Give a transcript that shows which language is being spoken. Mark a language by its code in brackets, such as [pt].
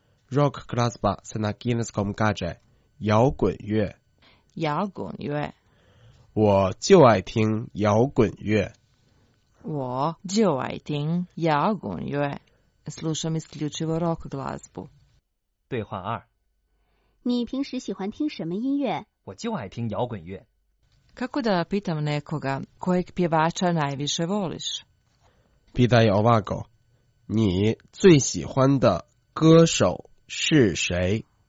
[hr] rock glazba se na kineskom kaže [zh] 摇滚乐。摇滚乐。我就爱听摇滚乐。我就爱听摇滚乐 [hr] slušam isključivo rock glazbu [zh] 对话二你平时喜欢听什么音乐我就爱听摇滚乐 [hr] kako da pitam nekoga kojeg pjevača najviše voliš pita je ovako [zh] 你最喜欢的歌手是谁